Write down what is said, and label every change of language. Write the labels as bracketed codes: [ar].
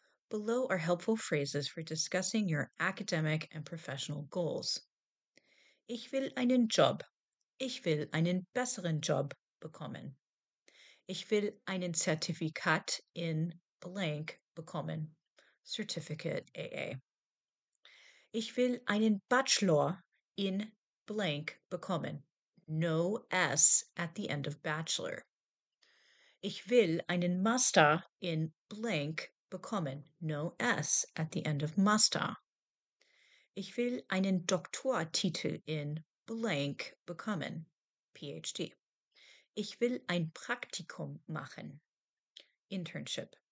[en] Below are helpful phrases for discussing your academic and professional goals. [de] Ich will einen Job. Ich will einen besseren Job bekommen. Ich will einen Zertifikat in blank bekommen. [en] Certificate AA. [de] Ich will einen Bachelor in blank bekommen. [en] No S at the end of bachelor. [de] Ich will einen Master in blank bekommen. [en] No S at the end of master. [de] Ich will einen Doktortitel in blank bekommen, PhD. Ich will ein Praktikum machen, internship.